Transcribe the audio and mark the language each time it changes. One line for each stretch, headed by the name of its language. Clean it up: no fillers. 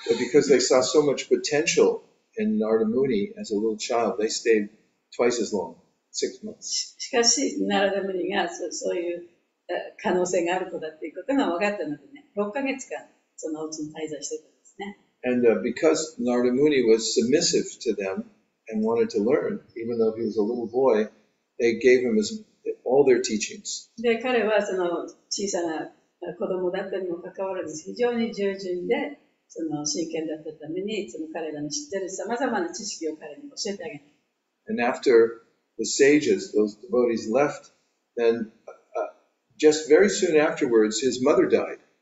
English: But because they saw so much potential in Narada Muni as a little child, they stayed twice as long, 6 months.
Japanese: しかし、ナラダムニがそういう可能性がある子だっていうことが分かったのでね、6ヶ月間そのうちに滞在してたんですね。
English: And because Narada Muni was submissive to them and wanted to learn, even though he was a little boy, they gave him all their teachings.
Japanese: で、彼はその小さな子供だったにもかかわらず、非常に従順で、
English: And after the sages, those devotees left, then just very soon afterwards, his mother died.